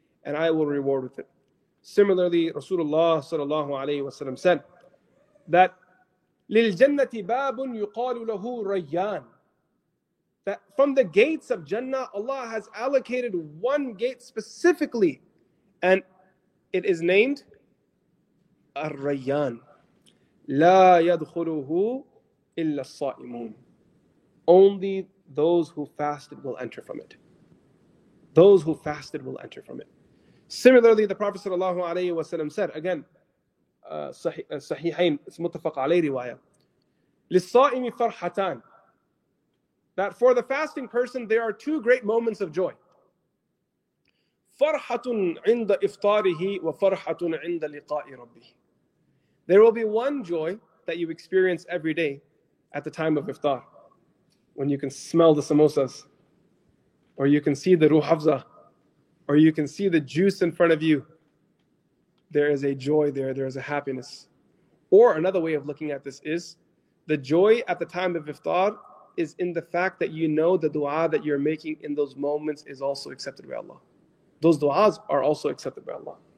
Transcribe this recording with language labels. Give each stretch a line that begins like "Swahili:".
English: And I will reward with it. Similarly, Rasulullah sallallahu alayhi wa sallam said that
Arabic: لِلْجَنَّةِ بَابٌ يُقَالُ لَهُ رَيَّانٌ.
English: That from the gates of Jannah, Allah has allocated one gate specifically, and it is named الريان.
Arabic: لا يدخله إلا الصائمون.
English: Only those who fasted will enter from it. Those who fasted will enter from it. Similarly, the Prophet sallallahu alayhi wa sallam said, again, Sahihain, it's
Arabic: متفق عليه رواية. للصائم فرحتان.
English: That for the fasting person, there are two great moments of joy.
Arabic: فرحة عند إفطاره وفرحة عند لقاء ربه.
English: There will be one joy that you experience every day at the time of iftar, when you can smell the samosas, or you can see the ruh hafza, or you can see the juice in front of you. There is a joy there, there is a happiness. Or another way of looking at this is, the joy at the time of iftar is in the fact that you know the dua that you're making in those moments is also accepted by Allah. Those duas are also accepted by Allah.